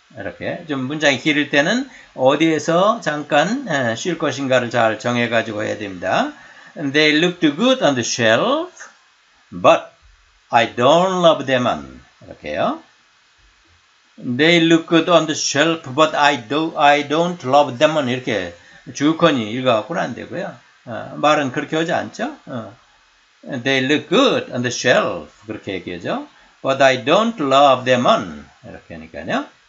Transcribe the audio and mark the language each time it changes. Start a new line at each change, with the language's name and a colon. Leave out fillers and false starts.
Korean: 이렇게 좀 문장이 길을 때는 어디에서 잠깐 쉴 것인가를 잘 정해 가지고 해야 됩니다.
English: They looked good on the shelf, but I don't love them.
Korean: 이렇게요.
English: They look good on the shelf, but I don't love them.
Korean: 이렇게 주어권이 읽어갖고는 안 되고요. 말은 그렇게 하지 않죠.
English: They look good on the shelf,
Korean: 그렇게 얘기하죠.
English: But I don't love them.
Korean: 이렇게 하니까요.